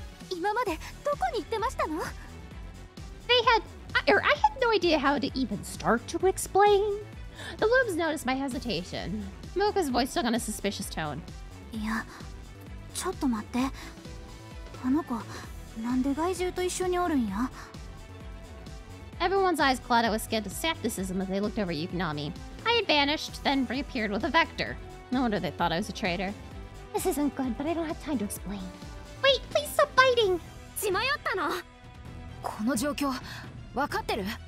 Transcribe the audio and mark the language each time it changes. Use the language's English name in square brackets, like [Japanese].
[Japanese] 今までどこに行ってましたの? [English] I had no idea how to even start to explain. The blooms noticed my hesitation. Mocha's voice took on a suspicious tone. [Japanese] いや、ちょっと待って。あの子、なんで害獣と一緒におるんや? [English] Everyone's eyes clouded with skepticism as they looked over Yukinami. I had vanished, then reappeared with a vector. No wonder they thought I was a traitor. This isn't good, but I don't have time to explain. Wait, please stop biting! [Japanese] しまったの?この状況、わかってる?